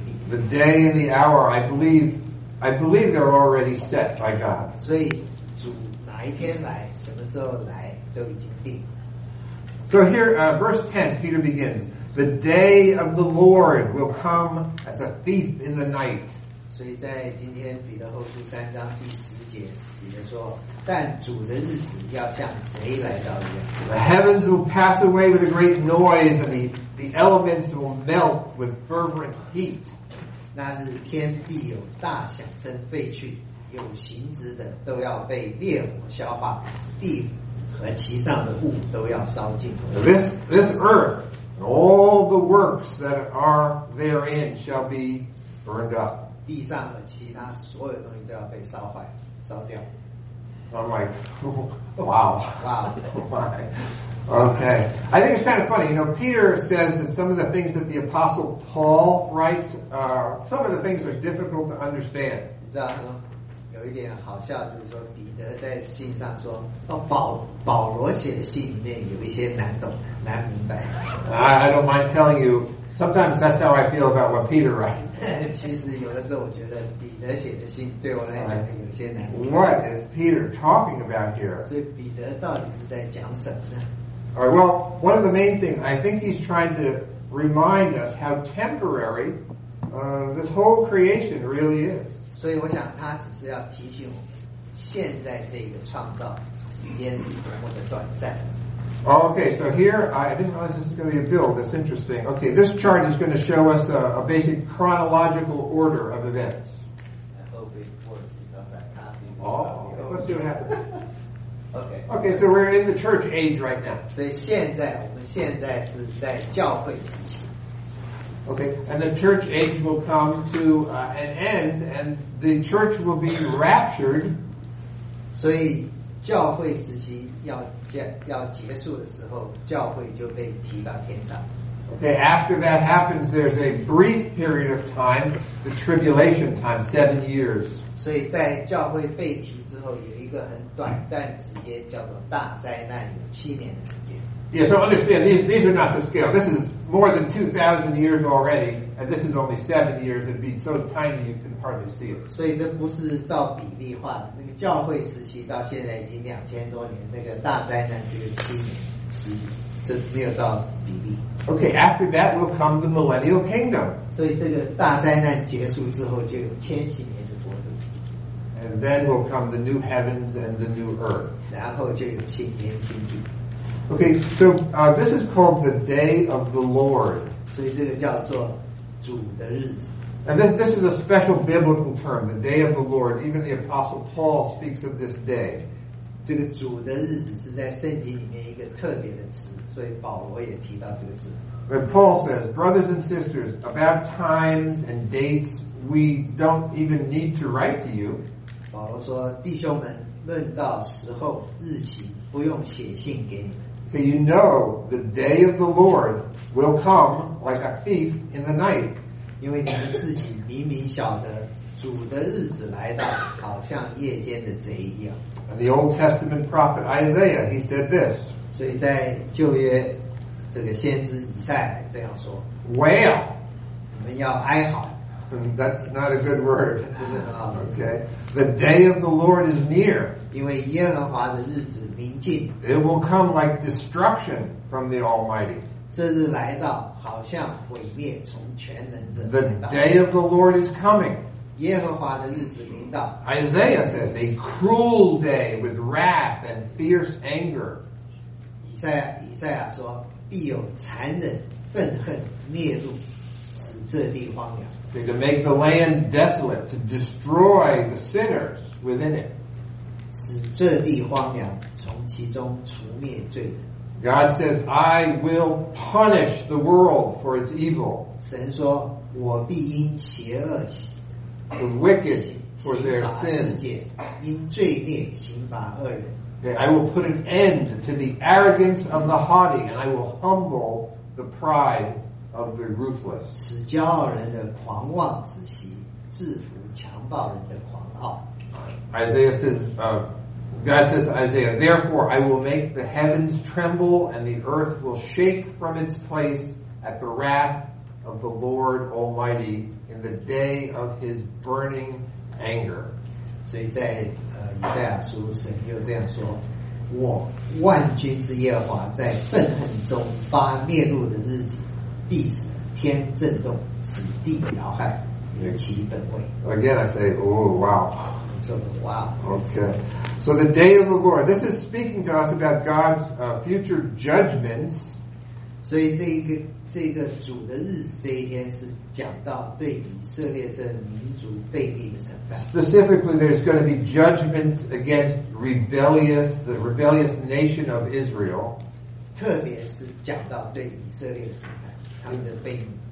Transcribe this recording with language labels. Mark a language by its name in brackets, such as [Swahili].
[English] The day and the hour, I believe they're already set by God. [Chinese] 所以主哪一天来，什么时候来，都已经定了。 [English] So here, verse 10, Peter begins, The day of the Lord will come as a thief in the night. [Chinese] 所以在今天彼得后书三章第十节，彼得说，但主的日子要像贼来到一样。 [English] The heavens will pass away with a great noise, and the elements will melt with fervent heat. [Chinese] 那日天必有大响声废去，有形质的都要被烈火消化，地和其上的物都要烧尽。 [English] This earth and all the works that are therein shall be burned up. [Chinese] 地上和其他所有东西都要被烧坏、烧掉。 [English] I'm like, wow. Okay. I think it's kind of funny. You know, Peter says that some of the things that the Apostle Paul writes are, some of the things are difficult to understand. [Chinese] 你知道吗？有一点好笑，就是说彼得在信上说，哦，保罗写的信里面有一些难懂，难明白。 [English] I don't mind telling you, sometimes that's how I feel about what Peter writes. [Chinese] 其实有的时候我觉得彼得写的信对我来讲有些难。 [English] What is Peter talking about here? [Chinese] 所以彼得到底是在讲什么呢？ [English] All right, well, one of the main things, I think he's trying to remind us how temporary, this whole creation really is. [Chinese] 所以我想他只是要提醒我们，现在这个创造时间是多么的短暂。 [English] Okay, so here, I didn't realize this is going to be a build. That's interesting. Okay, this chart is going to show us a basic chronological order of events. I hope it works because I copied it. Oh, let's see what happens. Okay, so we're in the church age right now. [Chinese] 所以现在，我们现在是在教会时期。 [English] Okay, and the church age will come to an end, and the church will be raptured. [Chinese] 所以教会时期要结束的时候，教会就被提到天上。 [English] Okay, after that happens, there's a brief period of time, the tribulation time, 7 years. [Chinese] 所以在教会被提之后，有一个很短暂的时间叫做大灾难，有7年的时间。 [English] Yeah, so understand these are not the scale. This is more than 2,000 years already, and this is only 7 years. It'd be so tiny you can hardly see it. [Chinese] 所以这不是照比例化的。那个教会时期到现在已经2000多年，那个大灾难只有7年，这没有照比例。 [English] Okay, after that will come the millennial kingdom. [Chinese] 所以这个大灾难结束之后就有千禧年的国度。 [English] And then will come the new heavens and the new earth. [Chinese] 然后就有新天新地。 [English] Okay, so this is called the Day of the Lord. [Chinese] 所以这个叫做主的日子。 [English] And this is a special biblical term, the Day of the Lord. Even the Apostle Paul speaks of this day. [Chinese] 这个主的日子是在圣经里面一个特别的词，所以保罗也提到这个字。 [English] But Paul says, brothers and sisters, about times and dates, we don't even need to write to you. [Chinese] 保罗说，弟兄们，论到时候日期不用写信给你们。 [English] Okay, you know the day of the Lord will come like a thief in the night. [Chinese] 因为你们自己明明晓得主的日子来到，好像夜间的贼一样。 [English] And the Old Testament prophet Isaiah, he said this. [Chinese] 所以在旧约这个先知以赛这样说。 [English] Wail. [Chinese] 你们要哀嚎。 [English] That's not a good word. [Chinese] 不是很好的。 [English] Okay. The day of the Lord is near. [Chinese] 因为耶和华的日子。 [English] It will come like destruction from the Almighty. [Chinese] 这日来到，好像毁灭从全能者来到。 [English] The day of the Lord is coming. [Chinese] 耶和华的日子临到。 [English] Isaiah says, a cruel day with wrath and fierce anger. [Chinese] 以赛亚说，必有残忍、愤恨、烈怒，使这地荒凉。 [English] To make the land desolate, to destroy the sinners within it. [Chinese] 使这地荒凉。从其中除灭罪人。 [English] God says, I will punish the world for its evil. [Chinese] 神说，我必因邪恶起。 [English] The wicked for their sin. [Chinese] 因罪孽刑罚恶人。 [English] Okay, I will put an end to the arrogance of the haughty, and I will humble the pride of the ruthless. [Chinese] 使骄傲人的狂妄止息，制服强暴人的狂傲。 [English] Isaiah says, God says to Isaiah, therefore I will make the heavens tremble and the earth will shake from its place at the wrath of the Lord Almighty in the day of his burning anger. [Chinese] 所以在以赛亚书神又这样说，我万军之耶和华在愤恨中发烈怒的日子，必使天震动，使地摇撼，而其本位。 [English] Again I say, oh wow. Wow. Okay. So the day of the Lord. This is speaking to us about God's future judgments. [Chinese] 所以这个主的日子这一天是讲到对以色列这民族背逆的审判。 [English] Specifically, there's going to be judgments against the rebellious nation of Israel. [Chinese] 特别是讲到对以色列的审判，他们的背逆。